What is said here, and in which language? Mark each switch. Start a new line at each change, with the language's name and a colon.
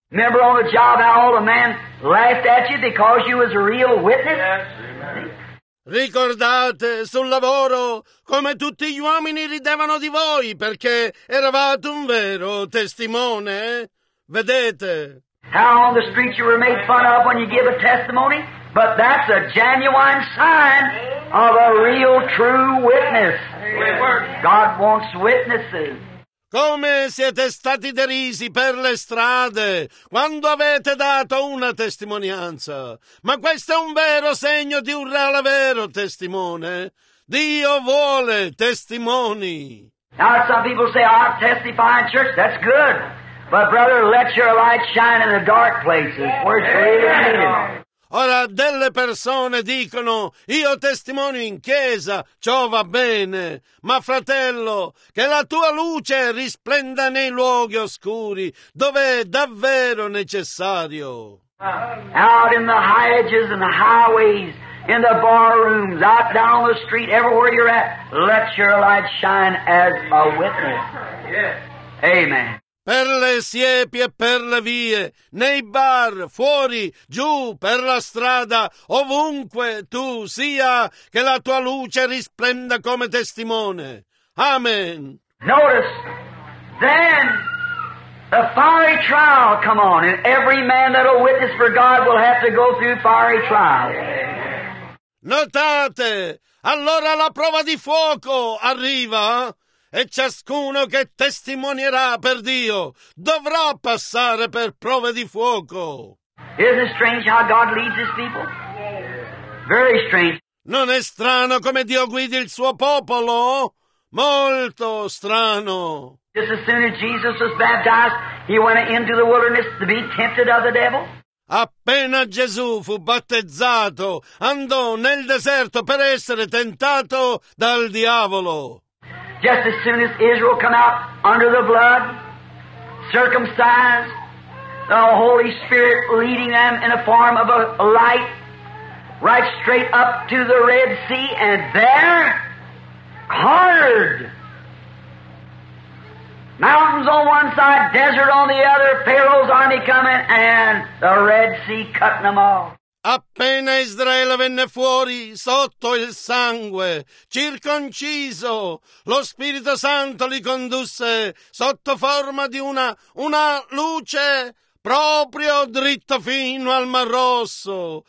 English: Remember on the job how all the men laughed at you because you was a real witness? Yes.
Italian: Ricordate sul lavoro come tutti gli uomini ridevano di voi perché eravate un vero testimone? Vedete?
English: How on the street you were made fun of when you give a testimony? But that's a genuine sign of a real true witness. God wants witnesses.
Italian: Come siete stati derisi per le strade quando avete dato una testimonianza. Ma questo è un vero segno di un reale vero testimone. Dio vuole testimoni.
English: Now some people say, I testify in church. That's good. But brother, let your light shine in the dark places. Where it's really needed.
Italian: Ora, delle persone dicono, io testimonio in chiesa, ciò va bene, ma fratello, che la tua luce risplenda nei luoghi oscuri, dove è davvero necessario.
English: Out in the hedges and the highways, in the bar rooms, out down the street, everywhere you're at, let your light shine as a witness. Amen.
Italian: Per le siepi e per le vie, nei bar, fuori, giù, per la strada, ovunque tu sia, che la tua luce risplenda come testimone. Amen.
English: Notice, then the fiery trial come on, and every man that will witness for God will have to go through fiery trial.
Italian: Notate, allora la prova di fuoco arriva. E ciascuno che testimonierà per Dio dovrà passare per prove di fuoco.
English: Isn't it strange how God leads his people? Very strange.
Italian: Non è strano come Dio guida il suo popolo? Molto strano.
English: Just as soon as Jesus was baptized, he went into the wilderness to be tempted of the devil.
Italian: Appena Gesù fu battezzato, andò nel deserto per essere tentato dal diavolo.
English: just as soon as Israel come out under the blood, circumcised, the Holy Spirit leading them in a form of a light, right straight up to the Red Sea, and there, hard. Mountains on one side, desert on the other, Pharaoh's army coming, and the Red Sea cutting them off.
Italian: Appena Israele venne fuori sotto il sangue, circonciso, lo Spirito Santo li condusse sotto forma di una luce proprio dritto fino al Mar Rosso.